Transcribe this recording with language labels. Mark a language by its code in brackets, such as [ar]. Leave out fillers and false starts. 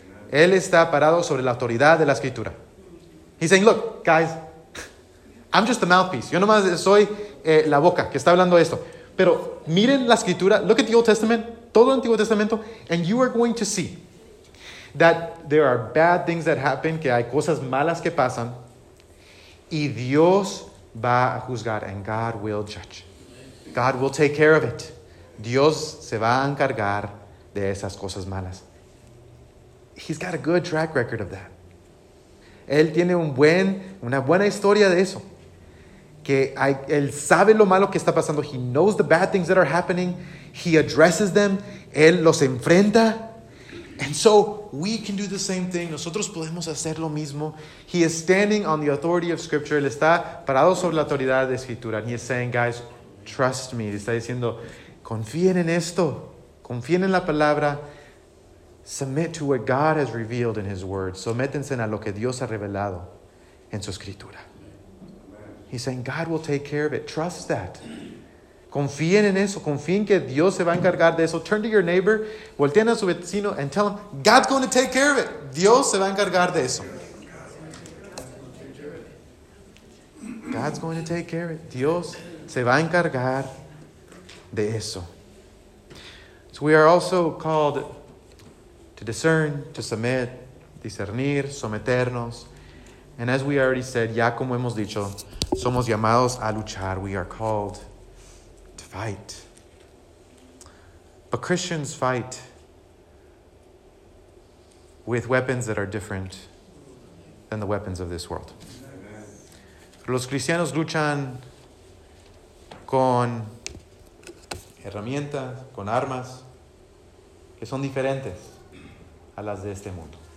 [es] Él está parado sobre la autoridad de la Escritura. [en] He's saying, look, guys, I'm just the mouthpiece. [es] Yo nomás soy la boca que está hablando esto. Pero miren la Escritura. [en] Look at the Old Testament. [es] Todo el Antiguo Testamento. [en] And you are going to see that there are bad things that happen. [es] Que hay cosas malas que pasan. Y Dios va a juzgar. [en] And God will judge. God will take care of it. [es] Dios se va a encargar de esas cosas malas. [en] He's got a good track record of that. [es] Él tiene una buena historia de eso. Él sabe lo malo que está pasando. [en] He knows the bad things that are happening. He addresses them. [es] Él los enfrenta. [en] And so we can do the same thing. [es] Nosotros podemos hacer lo mismo. [en] He is standing on the authority of Scripture. [es] Él está parado sobre la autoridad de Escritura. [en] And he is saying, guys, trust me. [es] Está diciendo, confíen en esto. Confíen en la palabra. [en] Submit to what God has revealed in His Word. [es] Sométense a lo que Dios ha revelado en su Escritura. [en] He's saying, God will take care of it. Trust that. [es] Confíen en eso. Confíen que Dios se va a encargar de eso. [en] Turn to your neighbor. [es] Volteen a su vecino [en] and tell him, God's going to take care of it. [es] Dios se va a encargar de eso. [en] God's going to take care of it. [es] Dios se va a encargar de eso. [en] So we are also called to discern, to submit, [es] discernir, someternos. [en] And as we already said, [es] ya como hemos dicho, somos llamados a luchar. [en] We are called to fight. But Christians fight with weapons that are different than the weapons of this world. Amen. [es] Los cristianos luchan con herramientas, con armas que son diferentes a las de este mundo.